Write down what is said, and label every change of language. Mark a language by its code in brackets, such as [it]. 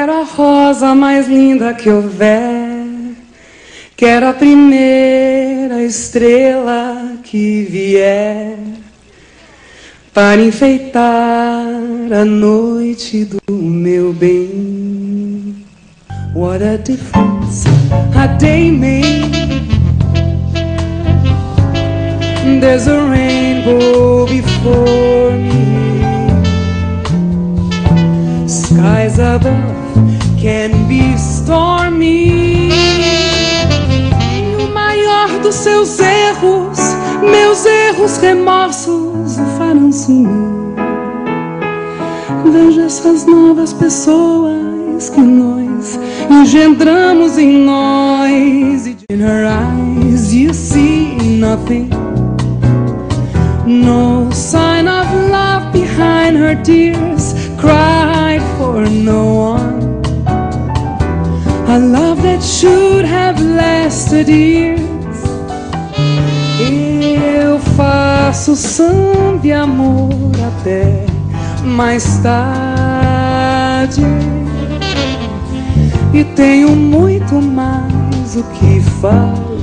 [pt] Quero a rosa mais linda que houver, quero a primeira estrela que vier, para enfeitar a noite do meu bem. [en] What a difference a day makes. There's a rainbow before me. Skies above can be stormy. [pt] E o maior dos seus erros, meus erros, remorsos o farão sumir. Veja essas novas pessoas que nós engendramos em nós. [en] In her eyes you see nothing, no sign of love behind her tears, cried for no one. A love that should have lasted years. [pt] Eu faço samba e amor até mais tarde, e tenho muito mais o que fazer.